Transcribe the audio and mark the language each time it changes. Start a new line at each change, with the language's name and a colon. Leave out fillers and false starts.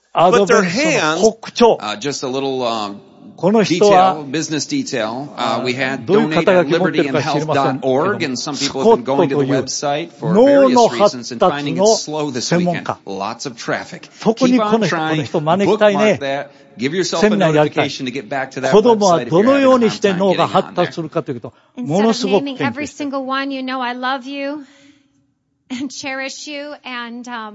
English: but their hands, just a little, business detail. We had donated libertyandhealth.org and some people have been going to the website for various reasons and finding it slow this weekend. Lots of traffic. Keep on trying. Bookmark that. Give yourself a notification to get back to that website.
Japanese: 子供はどのようにして脳が発達するかというと、ものすごく
English: every single one, you know, I love you and cherish you and,